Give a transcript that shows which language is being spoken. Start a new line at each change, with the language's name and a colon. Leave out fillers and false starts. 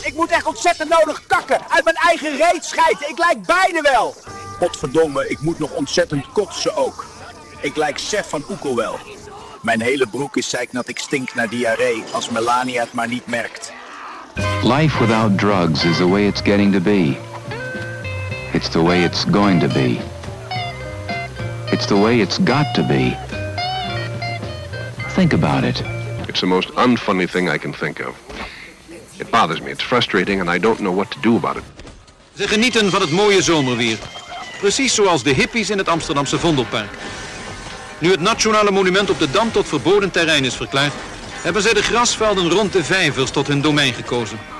Dutch: Ik moet echt ontzettend nodig kakken. Uit mijn eigen reet schijten. Ik lijk beide wel. Potverdomme, ik moet nog ontzettend kotsen ook. Ik lijk Sef van Oekel wel. Mijn hele broek is zeiknat. Ik stink naar diarree. Als Melania het maar niet merkt.
English: Life without drugs is the way it's getting to be. It's the way it's going to be. It's the way it's got to be. Think about it. It's the most unfunny thing I can think of. It bothers me, it's frustrating, and I don't know what to do about it.
Dutch: Ze genieten van het mooie zomerweer. Precies zoals de hippies in het Amsterdamse Vondelpark. Nu het nationale monument op de Dam tot verboden terrein is verklaard, hebben zij de grasvelden rond de vijvers tot hun domein gekozen.